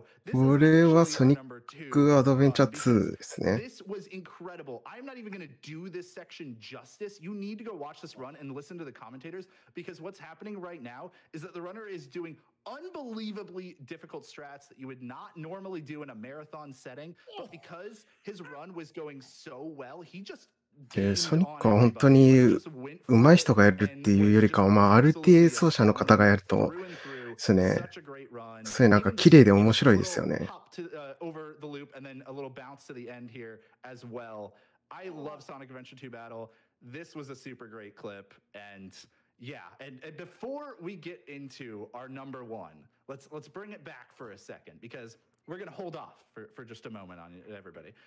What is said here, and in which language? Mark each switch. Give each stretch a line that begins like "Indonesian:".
Japanese: これはソニックアドベンチャー2ですね。
English: This was incredible. I'm not even going to do this section justice. You need to go watch this run and listen to the commentators because what's happening right now is that the runner is doing unbelievably difficult strats that you would not normally do in a marathon setting. But because his run was going so well, he just
Japanese: ソニックは本当に上手い人がやるっていうよりかは、まあ、RTA 奏者の方がやるとですね、それなんか綺麗で面白いですよね。
English: Over the loop and then a little bounce to the end here as well. I love Sonic Adventure 2 Battle. This was a super great clip. And yeah, and before we get into our number one, let's bring it back for a second because we're going to hold off for just a moment on everybody.